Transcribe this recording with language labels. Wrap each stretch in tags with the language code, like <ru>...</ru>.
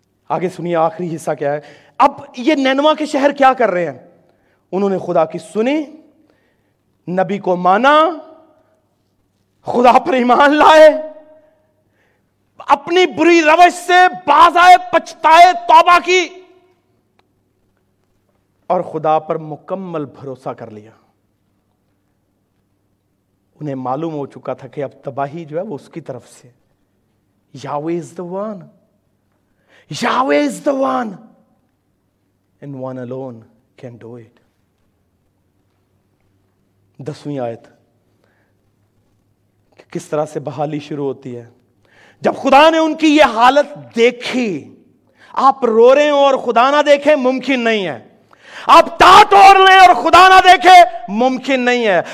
<ur>آگے سنیے آخری حصہ کیا ہے. اب یہ نینوا کے شہر کیا کر رہے ہیں؟ انہوں نے خدا کی سنی, نبی کو مانا, خدا پر ایمان لائے, اپنی بری روش سے باز آئے, پچھتائے, توبہ کی اور خدا پر مکمل بھروسہ کر لیا. انہیں معلوم ہو چکا تھا کہ اب تباہی جو ہے وہ اس کی طرف سے.</ur> <en>Yahweh is the one, Yahweh is the one and one alone can do it.</en> <ur>دسویں آیت کہ کس طرح سے بحالی شروع ہوتی ہے. جب خدا نے ان کی یہ حالت دیکھی, آپ رو رہے ہو اور خدا نہ دیکھے ممکن نہیں ہے. آپ تاٹ اوڑھ لیں اور خدا نہ دیکھے ممکن نہیں ہے.</ur>